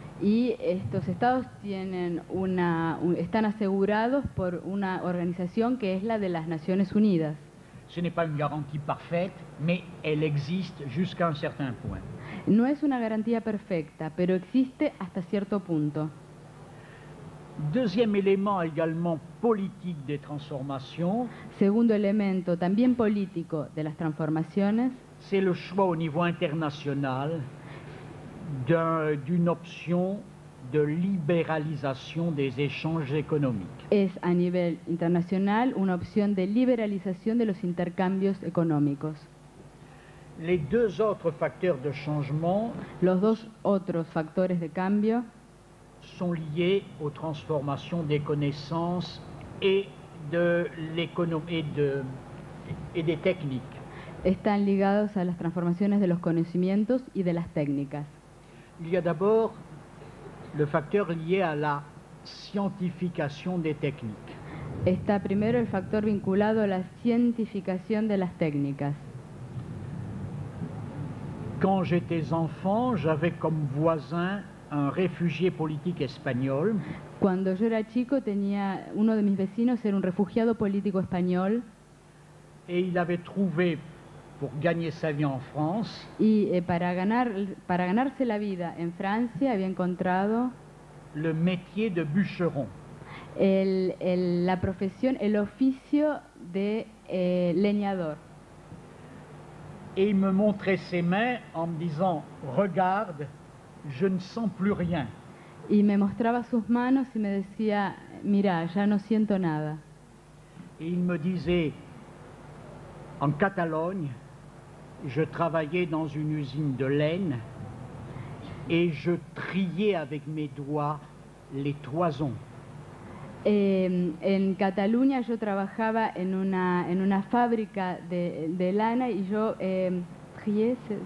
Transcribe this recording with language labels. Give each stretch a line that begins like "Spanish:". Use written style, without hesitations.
Spanish: Y estos estados tienen una, están asegurados por una organización que es la de las Naciones Unidas.
French: Ce n'est pas une garantie parfaite, mais elle existe jusqu'à un certain point.
Spanish: No es una garantía perfecta, pero existe hasta cierto punto.
French: Deuxième élément également politique des transformations.
Spanish: Segundo elemento también político de las transformaciones.
French: C'est le choix au niveau international d'une option de libéralisation des échanges économiques.
Spanish: Es a nivel internacional una opción de liberalización de los intercambios económicos.
French: Les deux autres facteurs de changement.
Spanish: Los dos otros factores de cambio
French: sont liés aux transformations des connaissances et de l'économie et des techniques.
Spanish: Están ligados a las transformaciones de los conocimientos y de las técnicas.
French: Il y a d'abord le facteur lié à la scientification des techniques.
Spanish: Está primero el factor vinculado a la cientificación de las técnicas.
French: Quand j'étais enfant, j'avais comme voisin un réfugié politique espagnol.
Spanish: Cuando yo era chico tenía uno de mis vecinos era un refugiado político español.
French: Et il avait trouvé pour gagner sa vie en France.
Spanish: Y para ganarse la vida en Francia había encontrado
French: le métier de bûcheron.
Spanish: La profesión, el oficio de leñador.
French: Et il me montrait ses mains en me disant: regarde, je ne sens plus rien.
Spanish: Y me mostraba sus manos y me decía: mira, ya no siento nada.
French: Et il me disait: en Catalogne, je travaillais dans une usine de laine et je triais avec mes doigts les toisons.
Spanish: En Cataluña yo trabajaba en una fábrica de lana y yo trié.